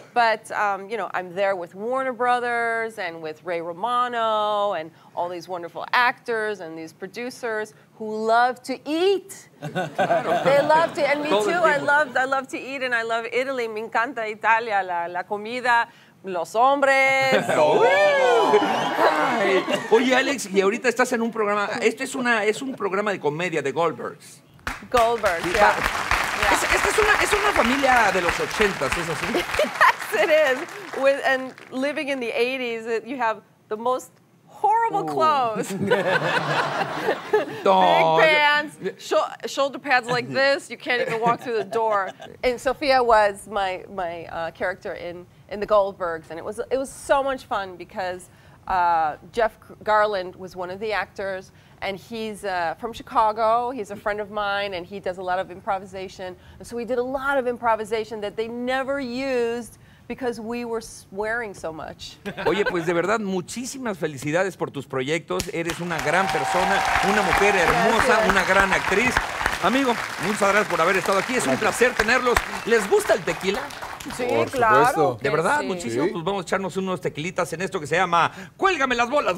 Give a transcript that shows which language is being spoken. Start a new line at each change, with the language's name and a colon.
English: But, you know, I'm there with Warner Brothers and with Ray Romano and all these wonderful actors and these producers who love to eat. They love to, and me too. I love to eat and I love Italy.
Spanish: Me encanta Italia, la comida. los hombres. Ay. Oye, Alex, y ahorita estás en un programa. Este es una, es un programa de comedia de Goldbergs. Goldbergs, sí. Esta es una familia de los ochentas, ¿es así?
English: Yes, it is. With, and living in the 80s, you have the most horrible clothes. Big pants, shoulder pads like this. You can't even walk through the door. And Sophia was my character in the Goldbergs, and it was so much fun because Jeff Garland was one of the actors, and he's from Chicago. He's a friend of mine, and he does a lot of improvisation. And so we did a lot of improvisation that they never used because we were swearing so much.
Spanish: Oye, pues de verdad, muchísimas felicidades por tus proyectos. Eres una gran persona, una mujer hermosa, yes, yes, una gran actriz. Amigo, muchas gracias por haber estado aquí. Es un placer tenerlos. ¿Les gusta el tequila? Sí, por claro. De verdad, sí. Muchísimo. Sí. Pues vamos a echarnos unos tequilitas en esto que se llama Cuélgame las bolas.